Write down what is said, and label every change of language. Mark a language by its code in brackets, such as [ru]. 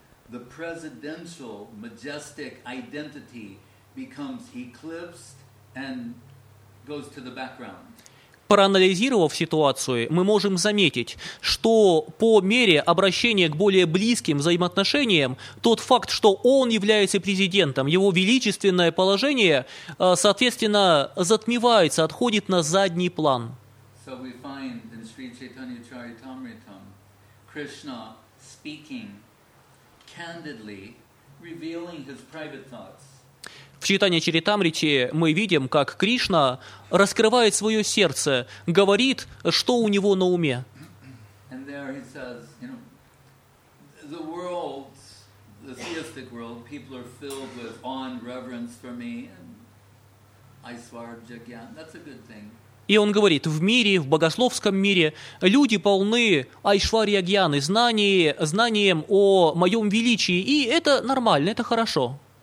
[en] The presidential majestic identity becomes eclipsed and goes to the background. [ru] проанализировав ситуацию, мы можем заметить, что по мере обращения к более близким взаимоотношениям, тот факт, что он является президентом, его величественное положение, соответственно, затмевается, отходит на задний план. [en] So we find in Sri Chaitanya Charitamritam, Krishna speaking candidly, revealing his private thoughts. [ru] В Чайтанья Чаритамрите мы видим, как Кришна раскрывает свое сердце, говорит, что у него на уме. [en] And there he says, you know, the world, the theistic world, people are filled with awe and reverence for me, and I swarja gyan. That's a good thing. [ru] И он говорит, в мире, в богословском мире, люди полны айшварья-гьяны, знанием о моем величии, и это нормально, это хорошо.